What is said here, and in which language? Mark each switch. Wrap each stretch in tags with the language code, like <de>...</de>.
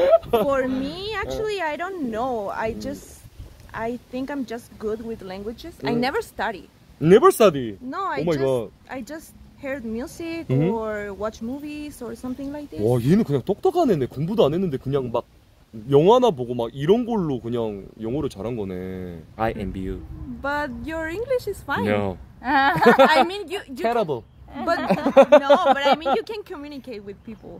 <en>For me, actually, I don't know. I just, I think I'm just good with languages. I never study. Never study? No, I just heard music or watch movies or something like this.</en> <ko>와 얘는 그냥 똑똑한 애네. 공부도 안 했는데 그냥 막 영화나 보고 막 이런 걸로 그냥 영어를 잘한 거네.</ko> <en>I envy you. But your English is fine. No. I mean you terrible. But no, but I mean you can communicate with people.</en>